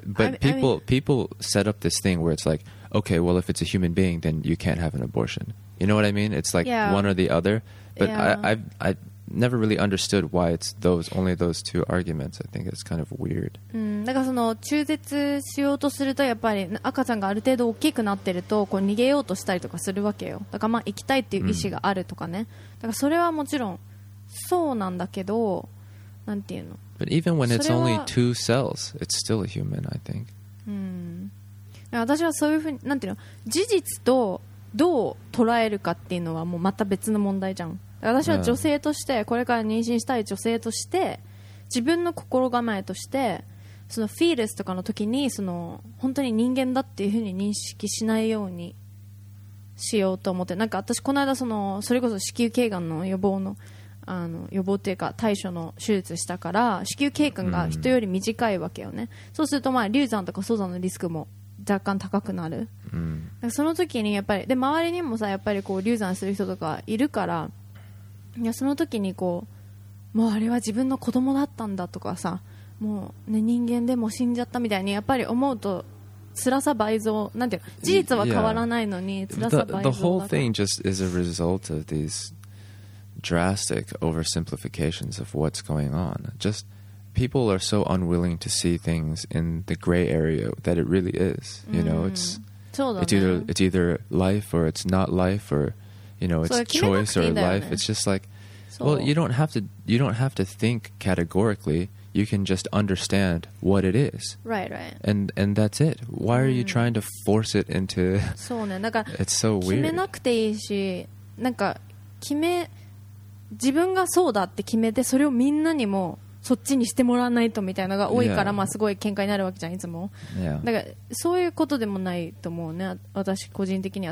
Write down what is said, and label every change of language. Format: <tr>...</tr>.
<en>But people set up this thing where it's like, okay, well, if it's a human being, then you can't have an abortion. You know what I mean? It's like one or the other. But yeah. I've never really understood why it's those only those two arguments. I think it's kind of weird.</en> <ja>だからその中絶しようとするとやっぱり赤ちゃんがある程度大きくなってるとこう逃げようとしたりとかするわけよ。だからまあ行きたいっていう意思があるとかね。だからそれはもちろんそうなんだけど、なんていうの。</ja> <en>But even when it's only two cells, it's still a human, I think.</en> <ja>私はそういうふうになんていうの、事実とどう捉えるかっていうのはもうまた別の問題じゃん。私は女性として、これから妊娠したい女性として、自分の心構えとしてそのフィーレスとかの時にその本当に人間だっていう風に認識しないようにしようと思って、なんか私この間 それこそ子宮頸がんの予防の、あの予防というか対処の手術したから、子宮頸管が人より短いわけよね。そうするとまあ流産とか早産のリスクも若干高くなる。だからその時にやっぱりで周りにもさ、やっぱりこう流産する人とかいるから、いやその時にこう、もうあれは自分の子供だったんだとかさ、もうね、人間でも死んじゃったみたいにやっぱり思うと辛さ倍増、なんていうか、事実は変わらないのに辛さ倍増だから。</ja> <en>The whole thing just is a result of these drastic oversimplifications of what's going on. Just people are so unwilling to see things in the gray area that it really is. You know, it's,</en> <ja>そうだね。</ja> <en>it's either life or it's not life orYou know, it's choice or life. It's just like, well, you don't have to think categorically. You can just understand what it is. Right, right. And that's it. Why are you trying to force it into?</en> <ja>そうね。なんか、</ja> <en>it's so weird.</en> <ja>決めなくていいし、なんか決め、自分がそうだって決めて、それをみんなにもそっちにしてもらわないとみたいなのが多いから、</ja> <en>yeah.</en> <ja>まあすごい喧嘩になるわけじゃん、いつも。だからそういうことでもないと思うね、私個人的には。</ja>